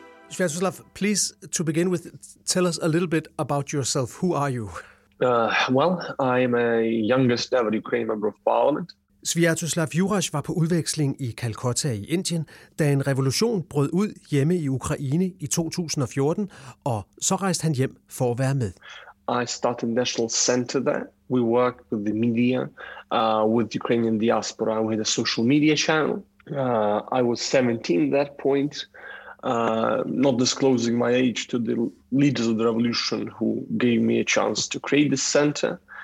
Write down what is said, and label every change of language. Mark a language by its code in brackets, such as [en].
[en] Sviatoslav, please, to begin with, tell us a little bit about yourself. Who are you? Well, I'm a youngest ever Ukrainian member of parliament. [da] Sviatoslav Juraj var på udveksling i Calcutta i Indien, da en revolution brød ud hjemme i Ukraine i 2014, og så rejste han hjem for at være med. [en] I started National Center there. We worked with the media, with the Ukrainian diaspora. We had a social media channel. I was 17 at that point, not disclosing my age to the leaders of the revolution who gave me a chance to create this center.